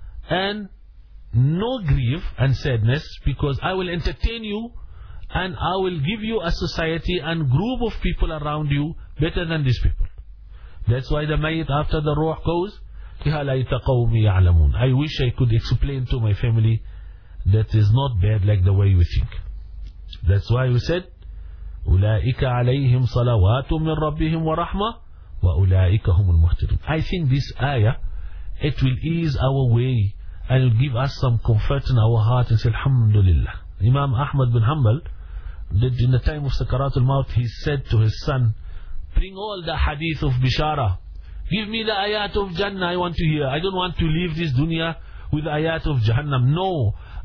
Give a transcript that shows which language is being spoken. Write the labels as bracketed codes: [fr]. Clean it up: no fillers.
[en] And no grief and sadness, because I will entertain you and I will give you a society and group of people around you better than these people. That's why the mayyit after the ruh goes, [ar] يَا لَيْتَ قَوْمِ يَعْلَمُونَ. [en] I wish I could explain to my family that is not bad like the way you think. That's why we said, [ar] أُولَٰئِكَ عَلَيْهِمْ صَلَوَاتٌ مِّن رَبِّهِمْ وَرَحْمَةٌ وَأُولَٰئِكَ هُمُ الْمُهْتَدُونَ. [en] I think this ayah, it will ease our way and will give us some comfort in our heart and say, Alhamdulillah. Imam Ahmad bin Hanbal, that in the time of Sakaratul Maut, he said to his son, bring all the hadith of Bishara. Give me the ayat of Jannah I want to hear. I don't want to leave this dunya with the ayat of Jahannam. No.